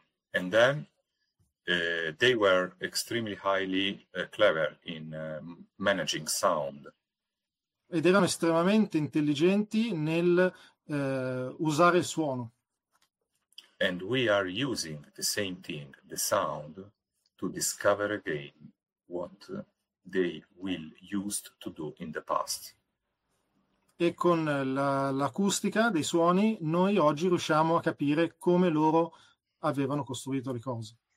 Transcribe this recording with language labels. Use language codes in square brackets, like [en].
[en] And then they were extremely highly clever in managing sound. [it] Ed erano estremamente intelligenti nel usare il suono. [en] And we are using the same thing, the sound, to discover again what they will used to do in the past. [it] E con l'acustica dei suoni noi oggi riusciamo a capire come loro avevano costruito le cose.